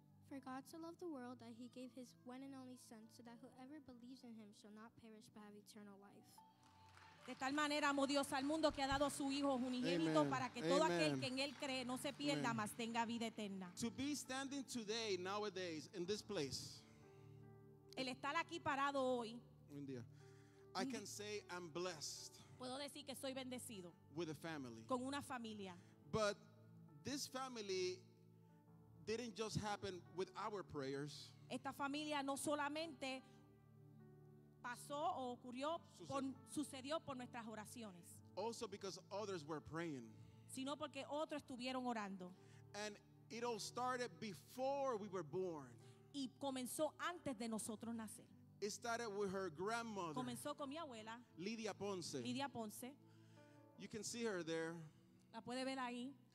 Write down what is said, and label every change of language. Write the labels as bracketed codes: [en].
[en] For God so loved the world that he gave his one and only son so that whoever believes in him shall not perish but have eternal life. [es] De tal manera amó Dios al mundo que ha dado a su Hijo unigénito para que todo aquel que en Él cree no se pierda, mas tenga vida eterna. [en] To be standing today, nowadays, in this place. [es] El estar aquí parado hoy. [en] I can say I'm blessed. [es] Puedo decir que soy bendecido. [en] With a family. [es] Con una familia. [en] But this family didn't just happen with our prayers. [es] Esta familia no solamente pasó o ocurrió sucedió por nuestras oraciones. [en] Also because others were praying. [es] Sino porque otros estuvieron orando. [en] And it all started before we were born. [es] Y comenzó antes de nosotros nacer. [en] It started with her grandmother. [es] Comenzó con mi abuela. [en] Lydia Ponce. [es] Lydia Ponce. [en] You can see her there. [es] La puede ver ahí.